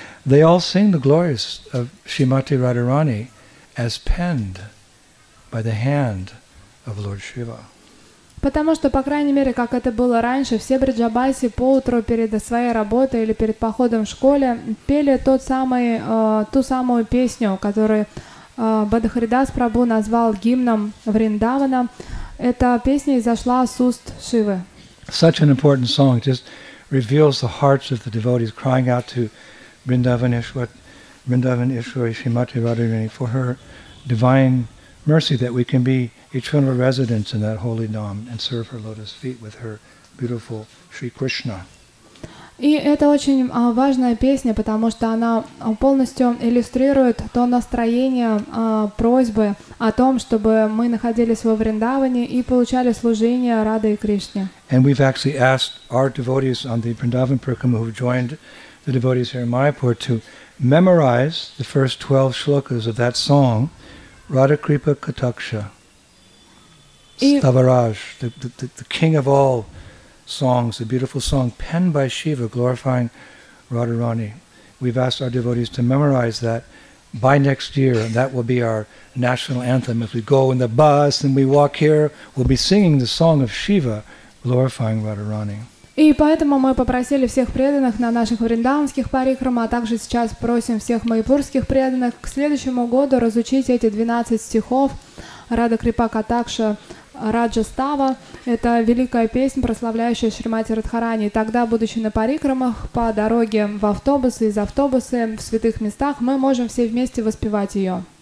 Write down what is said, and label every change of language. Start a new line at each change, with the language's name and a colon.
English: They all sing the glories of Shrimati Radharani as penned by the hand of Lord Shiva.
Russian: Потому что, по крайней мере, как это было раньше, все Бриджабаси по утру перед своей работой или перед походом в школе пели ту самую песню, которую Бадахаридас Прабху назвал гимном Вриндавана. Эта песня изошла с уст Шивы.
English: Such an important song. It just reveals the hearts of the devotees crying out to Vrindavaneshwari Shrimati Radharani for her divine mercy that we can be eternal residents in that holy dham and serve her lotus feet with her beautiful Sri Krishna.
Russian: И это очень важная песня, потому что она полностью иллюстрирует то настроение просьбы о том, чтобы мы находились во Вриндаване и получали служение Раде и Кришне.
English: And we've actually asked our devotees on the Vrindavan Parikrama who've joined the devotees here in Mayapur to memorize the first 12 shlokas of that song, Radha Kripa Kataksha, Stavaraj, the king of all songs, a beautiful song penned by Shiva glorifying Radharani. We've asked our devotees to memorize that by next year, and that will be our national anthem. If we go in the bus and we walk here, we'll be singing the song of Shiva glorifying Radharani.
Russian: И поэтому мы попросили всех преданных на наших вриндаванских парикрама, а также сейчас просим всех майпурских преданных к следующему году разучить эти 12 стихов Радха Крипа Катакша Раджа Става. Это великая песня, прославляющая Шримати Радхарани. И тогда, будучи на парикрамах, по дороге в автобусы, из автобуса, в святых местах, мы можем все вместе воспевать ее.